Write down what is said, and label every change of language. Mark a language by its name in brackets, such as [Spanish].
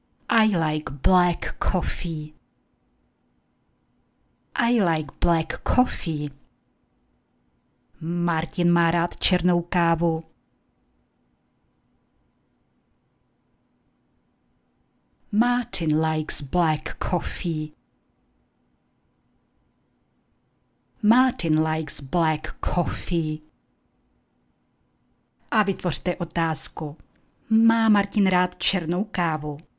[English] I like black coffee. I like black coffee. [Czech] Martin má rád černou kávu. [English] Martin likes black coffee. Martin likes black coffee. [Czech] A vytvořte otázku. Má Martin rád černou kávu?